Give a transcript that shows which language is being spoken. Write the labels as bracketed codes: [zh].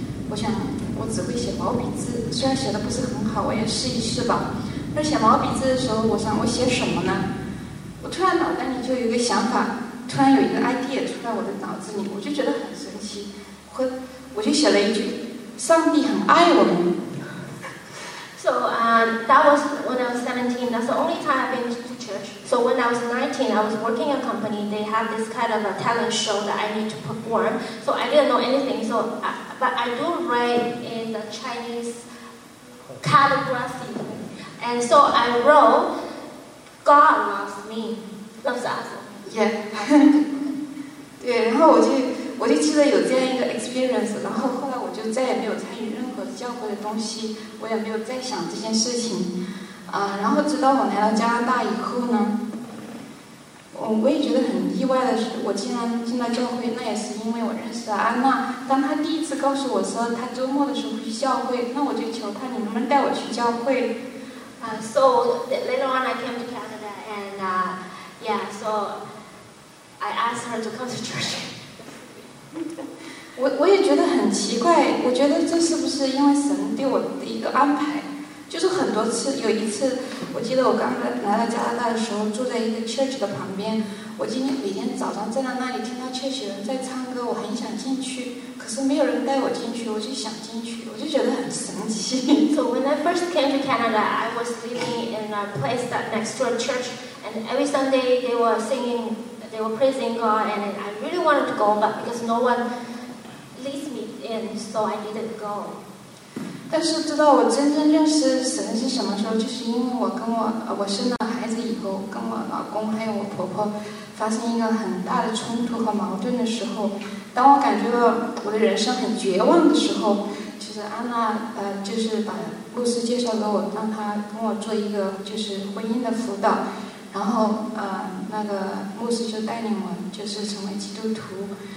[zh] 我想我只会写毛笔字，虽然写的不是很好，我也试一试吧。那写毛笔字的时候，我想我写什么呢？我突然脑袋里就有一个想法，突然有一个 idea 出来我的脑子里，我就觉得很神奇，我就写了一句：上帝很爱我们。 [en] So that was when I was 17. That's the only time I've been to church. So when I was 19, I was working a company. They had this kind of a talent show that I need to perform. So I didn't know anything. So, but I do write in the Chinese calligraphy. And so I wrote, God loves me. Loves us. Yeah. [zh] 对，然后我就记得有这样一个 experience， 然后后来我就再也没有参与任何教会的东西，我也没有再想这件事情。然后直到我来到加拿大以后呢，我也觉得很意外的是，我竟然进到教会，那也是因为我认识了安娜。当她第一次告诉我说她周末的时候去教会，那我就求她，你能不能带我去教会？ [en] So later on I came to Canada and so I asked her to come to church. [zh] 我也觉得很奇怪，我觉得这是不是因为神对我的一个安排？就是很多次，有一次我记得我刚来到加拿大的时候，住在一个 church 的旁边，我今天每天早上站在那里听到 church 人在唱歌，我很想进去，可是没有人带我进去，我就想进去，我就觉得很神奇。 [en] So when I first came to Canada I was living in a place that next to a church and every Sunday they were singing, they were praising God and I really wanted to go but because no one leads me in so I didn't go。 [zh] 但是知道我真正认识神是什么时候，就是因为我跟我生了孩子以后，跟我老公还有我婆婆发生一个很大的冲突和矛盾的时候，当我感觉到我的人生很绝望的时候，其实安娜就是把牧师介绍给我，让他跟我做一个就是婚姻的辅导，然后那个牧师就带领我就是成为基督徒。